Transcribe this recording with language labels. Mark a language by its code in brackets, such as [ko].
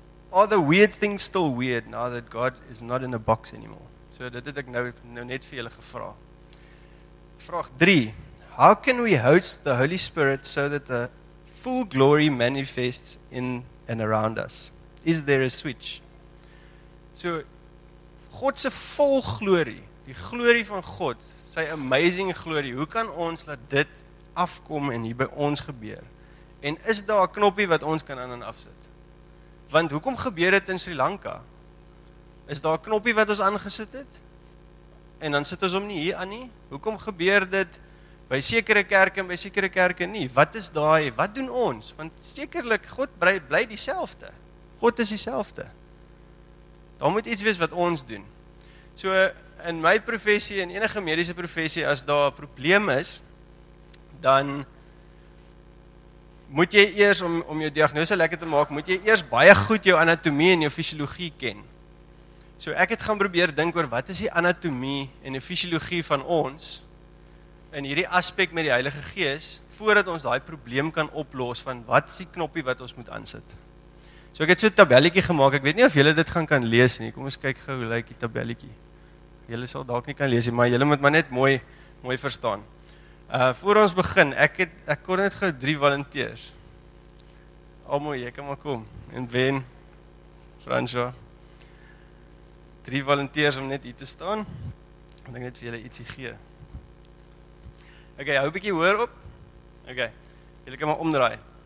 [en] Are the weird things still weird now that God is not in a box anymore? [af] So dit het ek nou net vir julle gevra. Vraag 3. [en] How can we host the Holy Spirit so that the full glory manifests in and around us? Is there a switch? [af] So, God se vol glorie, die glorie van God, sy amazing glorie, hoe kan ons laat dit afkom en hier by ons gebeur? En is daar 'n knoppie wat ons kan aan en afsit? Want hoekom gebeur dit in Sri Lanka? Is daar 'n knoppie wat ons aangesit het? En dan sit ons hom nie hier aan nie? Hoekom gebeur dit by sekere kerke en by sekere kerke nie? Wat is daai? Wat doen ons? Want sekerlik, God bly dieselfde. God is dieselfde. Daar moet iets wees wat ons doen. So, in my professie, in enige mediese professie, as daar 'n probleem is, dan moet jy eers, om jou diagnose lekker te maak, moet jy eers baie goed jou anatomie en jou fisiologie ken. So ek het gaan probeer dink oor wat is die anatomie en die fisiologie van ons, in hierdie aspek met die Heilige Gees, voordat ons daai probleem kan oplos, van wat is die knoppie wat ons moet aansit. So ek het so 'n tabelletjie gemaak, ek weet nie of julle dit gaan kan lees nie, kom ons kyk gou hoe lyk die tabelletjie. Julle sal dalk nie kan lees nie, maar julle moet maar net mooi verstaan. Voor ons begin, ek kon net gou 3 volunteers. Almoe, jy kan maar kom. En Ben, François. 3 volunteers om net hier te staan. En ek net vir julle ietsie gee. Okay, hou 'n bietjie hoor op. Okay, julle kan maar omdraai.